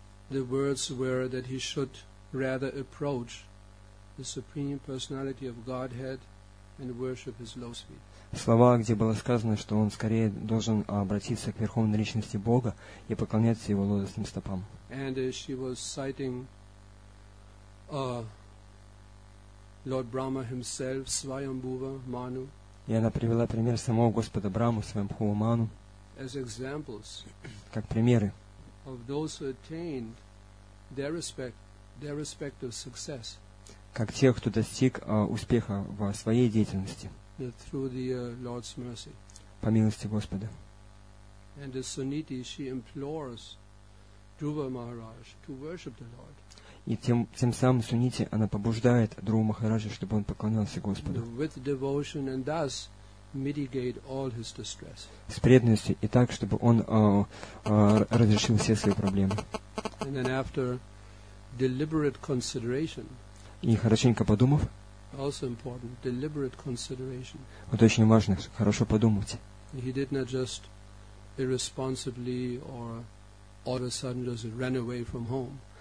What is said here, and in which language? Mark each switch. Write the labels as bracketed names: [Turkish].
[English] The words were that he should rather approach the Supreme Personality of Godhead. And worship his lotus feet. [Russian] Слова, где было сказано, что он скорее должен обратиться к Верховной Личности Бога и поклоняться Его лотосным стопам. [English] And she was citing Lord Brahma himself, Svayambhuva Manu. [Russian] И она привела пример самого Господа Брахму, Свайамбхува Ману, [English] as examples [Russian] как примеры [English] of those who attained their respective success. [Russian] Как тех, кто достиг успеха в своей деятельности. [English] Through the Lord's mercy. [Russian] По милости Господа. [English] And Suniti, she implores Dhruva Maharaj to worship the Lord. [Russian] И тем самым Суниti, она побуждает Друва Махараджа, чтобы он поклонялся Господу. [English] With devotion and thus mitigate all his distress. [Russian] С преданностью и так, чтобы он разрешил все свои проблемы. [English] And then after deliberate consideration. [Russian] И хорошенько подумав, [English] also important, deliberate consideration. [Russian] Вот очень важно, хорошо подумать. [English] He did not just irresponsibly or all of a sudden just ran away from home.